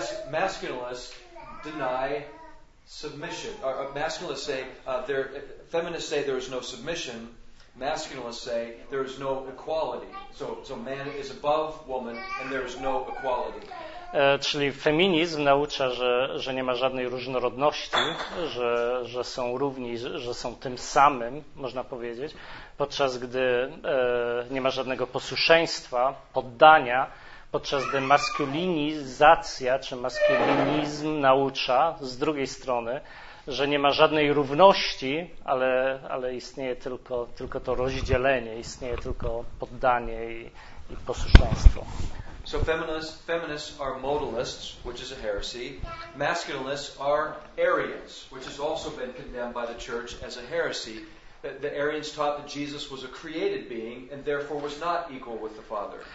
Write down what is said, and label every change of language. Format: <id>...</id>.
<en>Masculinists deny submission. Masculinists say feminists say there is no submission. Masculinists say there is no equality. So man is above woman and there is no equality.</en> <pl>Czyli feminizm naucza, że nie ma żadnej różnorodności, że są równi, że są tym samym, można powiedzieć, podczas gdy nie ma żadnego posłuszeństwa, poddania, podczas gdy maskulinizacja czy maskulinizm naucza z drugiej strony, że nie ma żadnej równości, ale istnieje tylko to rozdzielenie, istnieje tylko poddanie i posłuszeństwo.</pl> <en>So feminists are modalists, which is a heresy. Masculinists are Arians, which has also been condemned by the church as a heresy. The Arians taught that Jesus was a created being and therefore was not equal with the Father.</en>